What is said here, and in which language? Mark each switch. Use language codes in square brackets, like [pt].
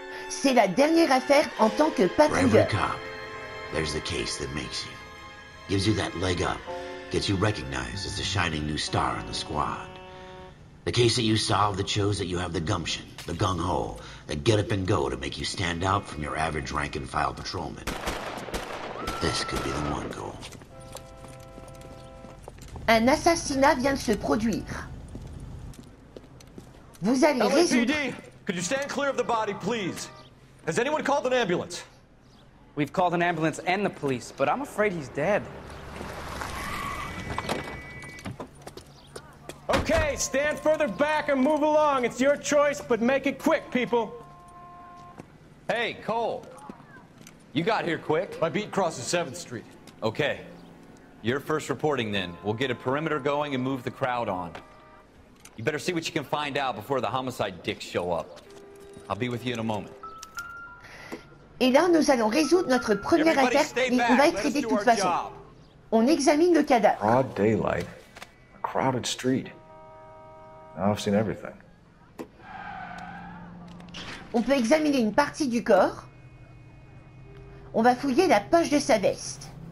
[fr] C'est la dernière affaire en tant que patrouilleur. [en] For every cop, there's the case that makes you. Gives you that leg up. Gets you recognized as the shining new star in the squad. The case that you solve that shows that you have the gumption, the gung-ho, the get-up-and-go to make you stand out from your average rank-and-file patrolman. This could be the one, Cole. [fr] Un assassinat vient de se produire. Vous allez résoudre... [en] LAPD, could you stand clear of the body, please? Has anyone called an ambulance? We've called an ambulance and the police, but I'm afraid he's dead. Okay, stand further back and move along. It's your choice, but make it quick, people. Hey, Cole. You got here quick. My beat crosses 7th Street. Okay. You're first reporting, then. We'll get a perimeter going and move the crowd on. You better see what you can find out before the homicide dicks show up. I'll be with you in a moment. [fr] Et là, nous allons résoudre notre première affaire qui va être aidée de toute façon. On examine le cadavre. [en] Broad daylight, a crowded street. Now I've seen everything. [fr] On peut examiner une partie du corps. On va fouiller la poche de sa veste.